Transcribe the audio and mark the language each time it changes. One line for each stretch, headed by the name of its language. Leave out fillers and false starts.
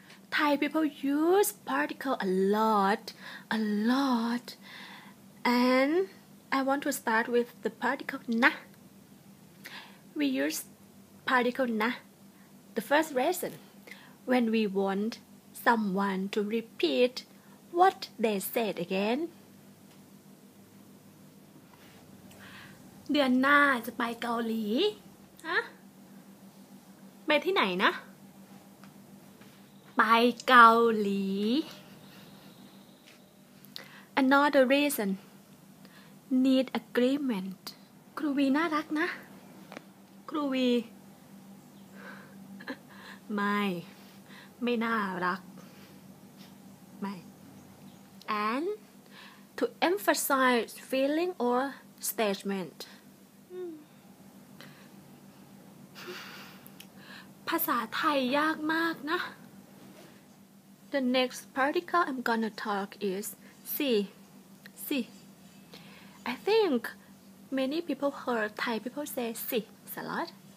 English: Thai people use particle a lot, and I want to start with the particle na. We use particle na. The first reason, when we want someone to repeat what they said again.
Thai: เดือนหน้าจะไปเกาหลีฮะไปที่ไหนนะไปเกาหลี
English: Another reason need agreement
Thai: ครูวีน่ารักนะครูวีไม่น่ารักไม่
English: and to emphasize feeling or statement
Thai: ภาษาไทยยากมากนะ
English: The next particle I'm gonna talk is si. I think many people heard Thai people say si a lot.